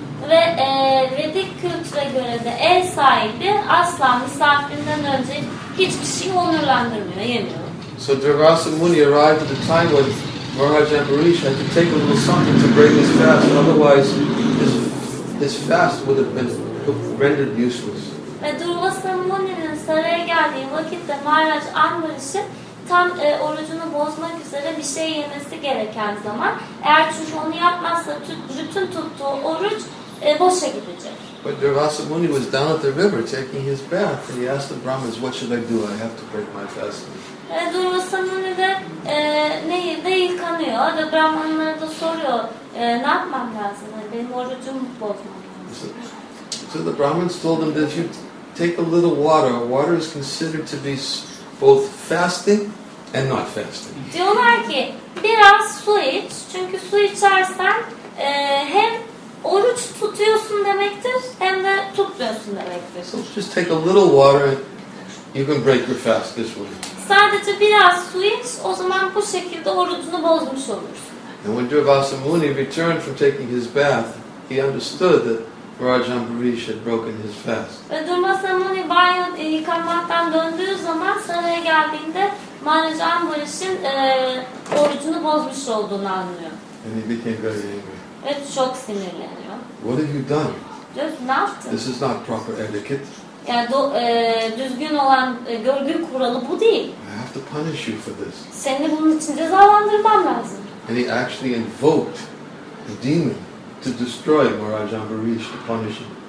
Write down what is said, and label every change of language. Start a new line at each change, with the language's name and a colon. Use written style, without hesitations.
Turkish: Ve Vedic kültüre göre de ev sahibi asla misafirinden önce hiçbir şey onurlandırmıyor, yemiyor.
English: So Durvasa Muni arrived at the time when Maharaj Ambarish had to take a little something to break his fast, otherwise his fast would have been rendered useless.
Turkish: Ve Durvasa Muni'nin saraya geldiği vakitte Maharaj Ambarish'i tam orucunu bozmak üzere bir şey yemesi gereken zaman, eğer çünkü onu yapmazsa bütün tuttuğu oruç boşa gidecek.
English: But Durvasa Muni was down at the river taking his bath, and he asked the Brahmins, "What should I do? I have to break my fast."
Turkish: Durvasa Muni de nehirde yıkanıyor ve Brahmanlara da soruyor, ne yapmam lazım? Benim orucumu bozmam lazım.
English: So the Brahmins told him that if you take a little water, water is considered to be both fasting and not fasting.
Turkish: Diyorlar ki biraz su iç, çünkü su içersen hem oruç tutuyorsun demektir, hem de tutmuyorsun demektir.
English: So just take a little water, you can break your fast this way.
Turkish: Sadece biraz su iç, o zaman bu şekilde orucunu bozmuş olursun.
English: And when Durvasa Muni returned from taking his bath, he understood that Maharaj Ambarish had broken his fast.
Turkish: Ve Durvasa Muni banyo yıkanmaktan döndüğü zaman saraya geldiğinde Maharaj Ambarish'in orucunu bozmuş olduğunu anlıyor.
English: And he became very angry.
Turkish: Ve çok sinirleniyor.
English: What have you done? Just,
Turkish: ne yaptın?
English: This is not proper etiquette.
Turkish: Yani düzgün olan görgü kuralı bu değil.
English: I have to punish you for this.
Turkish: Seni bunun için cezalandırmam lazım.
English: And he actually invoked the demon to destroy Maharaj Ambarish to punish him.